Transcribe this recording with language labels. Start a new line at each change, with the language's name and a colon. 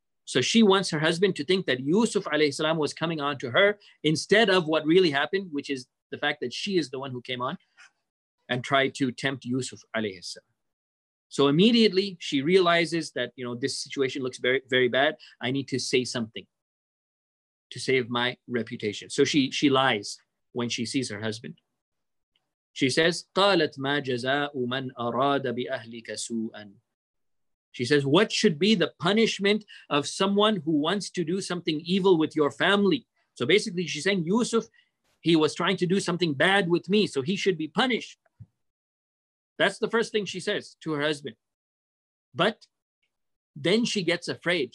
English: So she wants her husband to think that Yusuf alayhi salam was coming on to her instead of what really happened, which is the fact that she is the one who came on and tried to tempt Yusuf alayhi salam. So immediately she realizes that, you know, this situation looks very, very bad. I need to say something to save my reputation. So she lies when she sees her husband. She says,
Arabic: قَالَتْ مَا جَزَاءُ مَنْ أَرَادَ بِأَهْلِكَ سُوءًا.
English: She says, what should be the punishment of someone who wants to do something evil with your family? So basically she's saying, Yusuf, he was trying to do something bad with me, so he should be punished. That's the first thing she says to her husband. But then she gets afraid.